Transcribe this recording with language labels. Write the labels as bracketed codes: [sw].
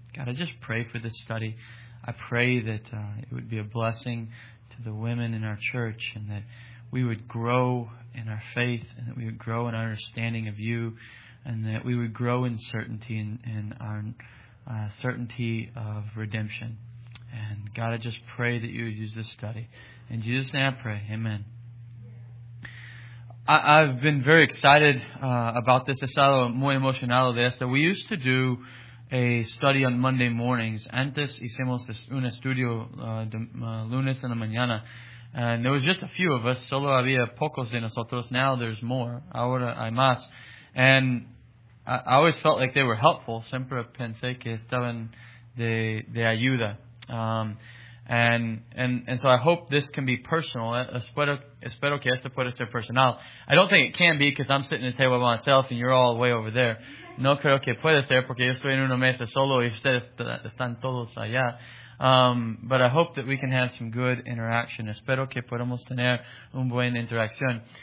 [en] God, I just pray for this study. I pray that it would be a blessing to the women in our church and that we would grow in our faith and that we would grow in our understanding of you and that we would grow in certainty in our certainty of redemption. And God, I just pray that you would use this study. In Jesus' name I pray. Amen. I've been very excited about this. [es] Estado muy emocionado de esto. [en] We used to do a study on Monday mornings. [es] Antes hicimos un estudio lunes en la mañana. [en] And there was just a few of us. [es] Solo había pocos de nosotros. [en] Now there's more. [es] Ahora hay más. [en] And I always felt like they were helpful. [es] Siempre pensé que estaban de ayuda. [en] And so I hope this can be personal. [es] Espero que esto pueda ser personal. [en] I don't think it can be because I'm sitting at the table by myself and you're all way over there. [es] No creo que pueda ser porque yo estoy en una mesa solo y ustedes están todos allá. [en] But I hope that we can have some good interaction. [es] Espero que podamos tener un buen interacción.